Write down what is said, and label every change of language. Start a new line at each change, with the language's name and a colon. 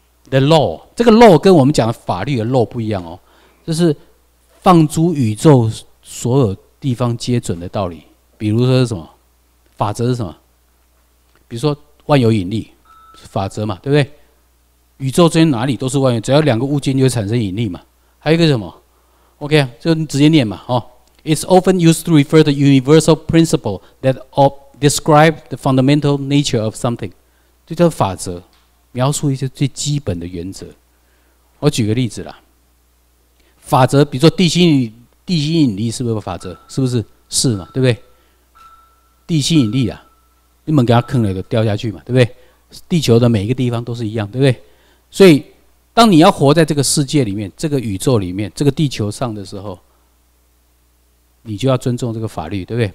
Chinese: The law， 这个 law 跟我们讲的法律的 law 不一样哦，就是放诸宇宙所有地方皆准的道理。比如说是什么法则是什么？比如说万有引力法则嘛，对不对？宇宙之间哪里都是万有，只要两个物件就会产生引力嘛。还有一个什么 ？OK， 就你直接念嘛，哦。
English: It's often used to refer to the universal principle that describe the fundamental nature of something，
Chinese: 这叫法则。描述一些最基本的原则。我举个例子啦，法则，比如说地心引力是不是法则？是不是？是嘛，对不对？地心引力啊，你们给它坑了就掉下去嘛，对不对？地球的每一个地方都是一样，对不对？所以，当你要活在这个世界里面、这个宇宙里面、这个地球上的时候，你就要尊重这个法律，对不对？